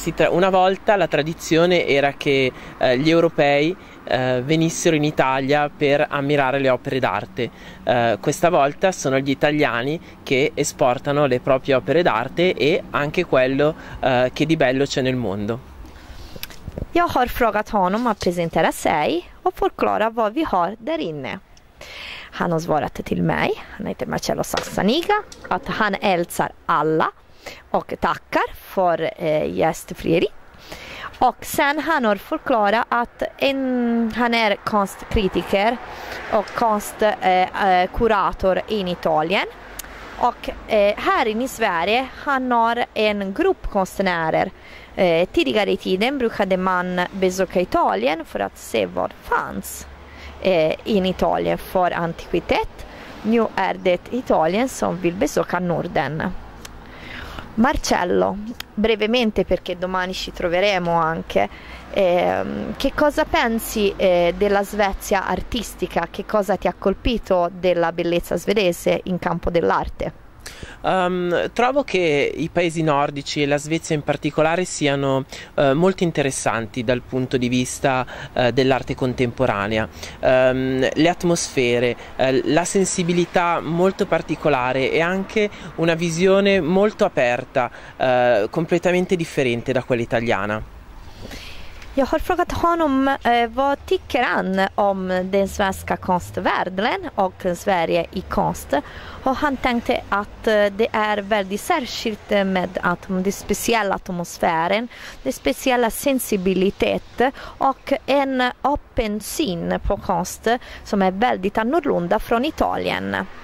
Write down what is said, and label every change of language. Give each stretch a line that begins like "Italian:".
Italian: Una volta la tradizione era che gli europei venissero in Italia per ammirare le opere d'arte. Questa volta sono gli italiani che esportano le proprie opere d'arte e anche quello che di bello c'è nel mondo.
Swedish: Io ho frågat honom att presentera sig och förklara vad vi har där inne. Han har svarat till mig, han heter Marcello Cazzaniga, att han älskar alla och tackar för gästfrieri. Och sen han har förklarat att han är konstkritiker och konstkurator i Italien. Och här i Sverige han har en grupp konstnärer. Tidigare i tiden brukade man besöka Italien för att se vad fanns in Italien för antikvitet. Nu är det Italien som vill besöka Norden.
Italian: Marcello, brevemente perché domani ci troveremo anche, che cosa pensi della Svezia artistica? Che cosa ti ha colpito della bellezza svedese in campo dell'arte? Trovo che i paesi nordici e la Svezia in particolare siano molto interessanti dal punto di vista dell'arte contemporanea. Le atmosfere, la sensibilità molto particolare e anche una visione molto aperta, completamente differente da quella italiana.
Swedish: Jag har frågat honom vad tycker han om den svenska konstvärlden och Sverige i konst. Och han tänkte att det är väldigt särskilt med att den speciella atmosfären, den speciella sensibiliteten och en öppen syn på konst som är väldigt annorlunda från Italien.